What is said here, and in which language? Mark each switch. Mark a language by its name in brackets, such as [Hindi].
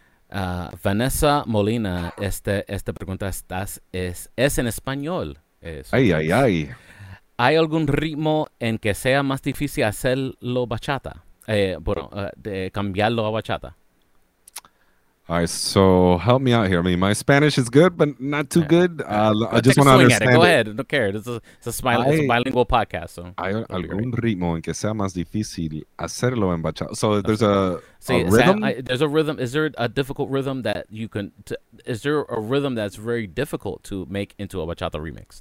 [Spanish] Vanessa Molina, esta pregunta es en español. Ay, ay, ay. ¿Hay algún ritmo en que sea más difícil hacerlo bachata? De cambiarlo a bachata. [English] All right, so help me out here. I mean, my Spanish is good, but not too good. I just want to understand. Go ahead. Don't care. It's a bilingual podcast. So [Spanish] hay algún ritmo en que sea más difícil hacerlo en bachata. [English] So there's a rhythm? There's a rhythm. Is there a difficult rhythm that you can... is there a rhythm that's very difficult to make into a bachata remix?